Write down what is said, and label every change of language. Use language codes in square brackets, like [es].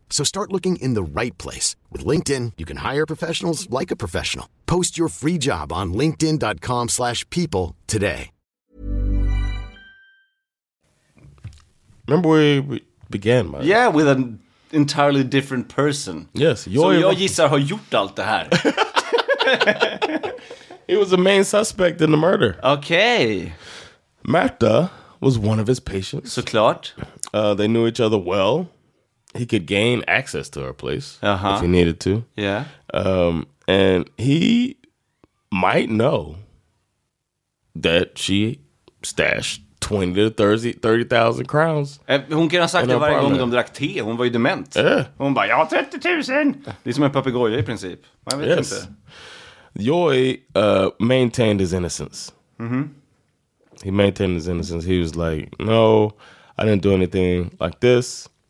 [en] So start looking in the right place. With LinkedIn, you can hire professionals like a professional. Post your free job on linkedin.com/people today. Remember where we began, man? Yeah, with an entirely different person. Yes. [sv] Jag gissar har gjort allt det här. [en] He was the main suspect in the murder. Okay. Märta was one of his patients. [sv] Såklart. [en] They knew each other well. He could gain access to her place if he needed to. Yeah. And he might know that she stashed 20 to 30,000 crowns. [sv] Hon kan ha sagt det varje gång de drack te. Hon var ju dement. [en] Yeah. [sv] Hon bara, jag har 30,000. Det är som en papegoja i princip. Man vet inte. [en] Joy maintained his innocence. He maintained his innocence. He was like, no, I didn't do anything like this.